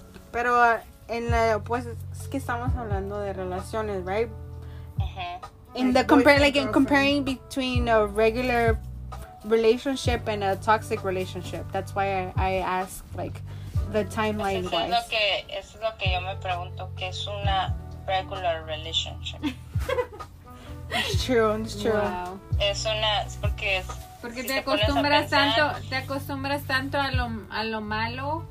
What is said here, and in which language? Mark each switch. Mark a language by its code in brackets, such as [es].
[es] Pero en la pues es que estamos hablando de relaciones, right? Uh-huh. [en] In the compare like in comparing between a regular relationship and a toxic relationship. That's why I ask like the timeline. [es] Pues eso es lo que yo me pregunto, ¿qué es una [en] regular relationship? It's true. Wow. [es] Porque si te acostumbras pensar, tanto, te acostumbras tanto a lo malo